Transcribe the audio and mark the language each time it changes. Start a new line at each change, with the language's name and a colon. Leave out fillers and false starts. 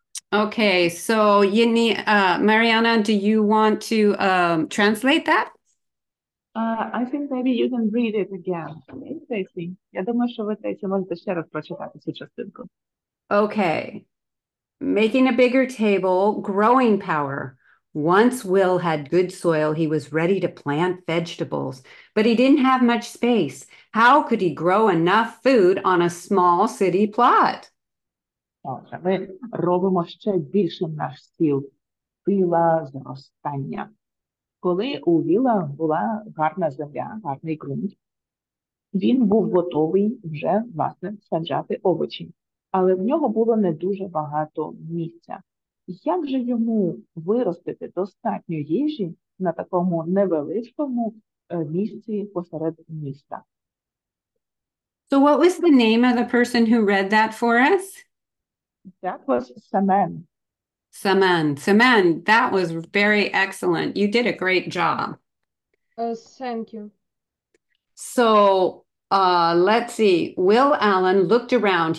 English: Okay, so you need, Marianna, do you want to translate that? I think maybe you can read it again.
Ukrainian: Я думаю, що ви це можете ще раз прочитати цю частинку.
English: Okay. Making a bigger table, growing power. Once Will had good soil, he was ready to plant vegetables, but he didn't have much space. How could he grow enough food on a small city plot?
Ukrainian: Отже, ми робимо ще більше наш стіл. Сила зростання. Коли у Віла була гарна земля, гарний ґрунт, він був готовий вже, власне, саджати овочі. Але в нього було не дуже багато місця. Як же йому виростити достатньо їжі на такому невеличкому місці посеред міста?
English: So what was the name of the person who read that for us? That was Saman. Saman, Saman, that was very excellent. You did a great job. Thank you. So let's see. Will Allen looked around.